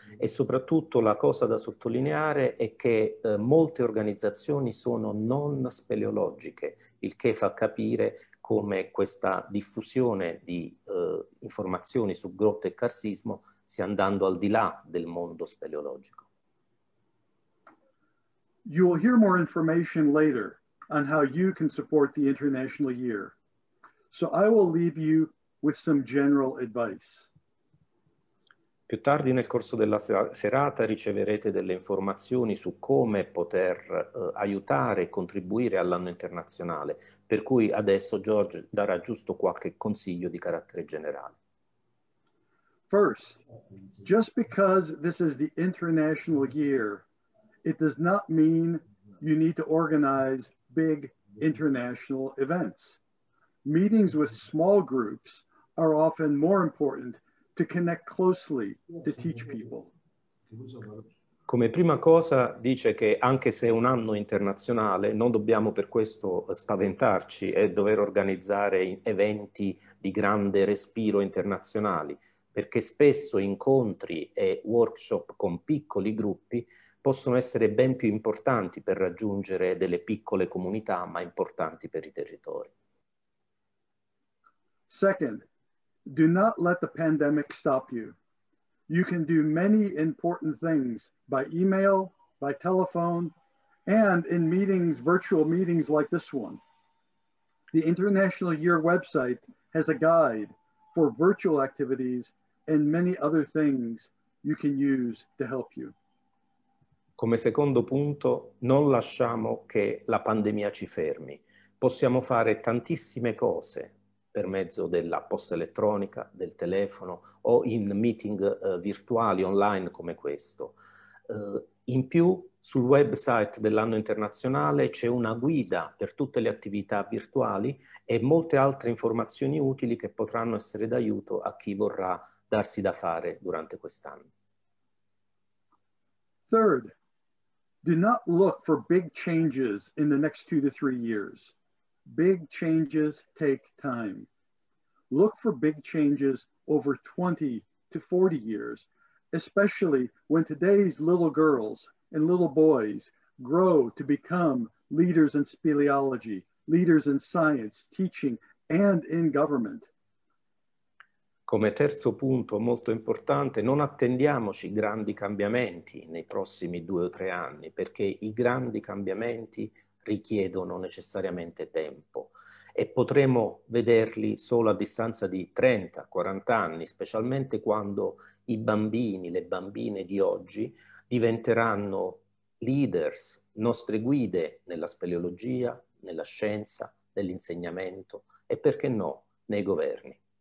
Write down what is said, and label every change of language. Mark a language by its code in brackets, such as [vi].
[it] E soprattutto la cosa da sottolineare è che molte organizzazioni sono non speleologiche, il che fa capire come questa diffusione di informazioni su grotte e carsismo stia andando al di là del mondo speleologico. [en] You will hear more information later on how you can support the International Year. So I will leave you with some general advice. [it] Più tardi nel corso della serata riceverete delle informazioni su come poter aiutare e contribuire all'anno internazionale, per cui adesso George darà giusto qualche consiglio di carattere generale. [en] First, just because this is the International Year, it does not mean you need to organize big international events. Meetings with small groups are often more important to connect closely to teach people. [it] Come prima cosa dice che anche se è un anno internazionale, non dobbiamo per questo spaventarci e dover organizzare eventi di grande respiro internazionali, perché spesso incontri e workshop con piccoli gruppi possono essere ben più importanti per raggiungere delle piccole comunità, ma importanti per i territori. [en] Second, do not let the pandemic stop you. You can do many important things by email, by telephone, and in meetings, virtual meetings like this one. The International Year website has a guide for virtual activities and many other things you can use to help you. [it] Come secondo punto, non lasciamo che la pandemia ci fermi. Possiamo fare tantissime cose per mezzo della posta elettronica, del telefono o in meeting virtuali online come questo. In più, sul website dell'anno internazionale c'è una guida per tutte le attività virtuali e molte altre informazioni utili che potranno essere d'aiuto a chi vorrà darsi da fare durante quest'anno. [en] Third, do not look for big changes in the next 2 to 3 years. Big changes take time. Look for big changes over 20 to 40 years, especially when today's little girls and little boys grow to become leaders in speleology, leaders in science, teaching, and in government. [it] Come terzo punto, molto importante, non attendiamoci grandi cambiamenti nei prossimi 2 o 3 anni, perché i grandi cambiamenti richiedono necessariamente tempo e potremo vederli solo a distanza di 30-40 anni, specialmente quando i bambini, le bambine di oggi diventeranno leaders, nostre guide nella speleologia, nella scienza, nell'insegnamento e perché no, nei governi.